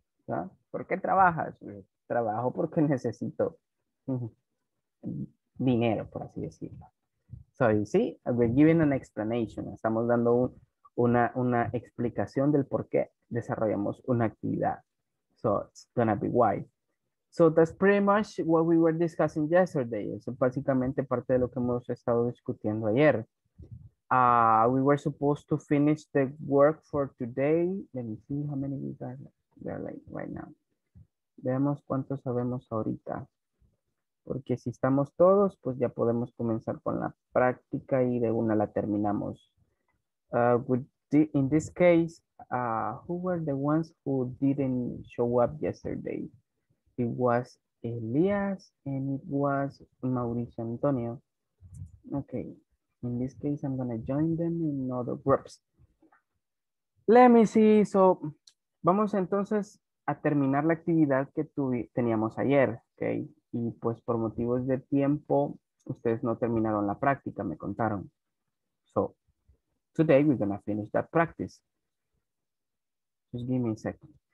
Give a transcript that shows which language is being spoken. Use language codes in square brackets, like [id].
[es] ¿Por qué trabajas? Trabajo porque necesito dinero, por así decirlo. [en] So you see, we're giving an explanation. [es] Estamos dando una explicación del por qué desarrollamos una actividad. [en] So it's gonna be why. So that's pretty much what we were discussing yesterday. [es] Es básicamente parte de lo que hemos estado discutiendo ayer. [en] We were supposed to finish the work for today. Let me see how many of you are like right now. [es] Veamos cuánto sabemos ahorita. Porque si estamos todos, pues ya podemos comenzar con la práctica y de una la terminamos. [en] In this case, who were the ones who didn't show up yesterday? It was Elias and it was Mauricio Antonio. Okay, in this case, I'm gonna join them in other groups. Let me see. [es] So, vamos entonces a terminar la actividad que teníamos ayer, okay? Y pues por motivos de tiempo, ustedes no terminaron la práctica, me contaron. [en] So, today we're gonna finish that practice. Just give me a second.